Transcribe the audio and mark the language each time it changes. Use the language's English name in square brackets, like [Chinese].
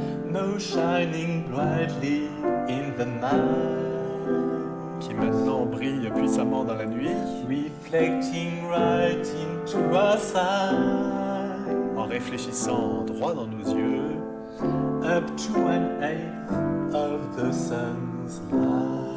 [English] No shining brightly in the night. [French] Qui maintenant brille puissamment dans la nuit. [English] Reflecting right into our sight. [French] En réfléchissant droit dans nos yeux. [English] Up to an eighth of the sun's light.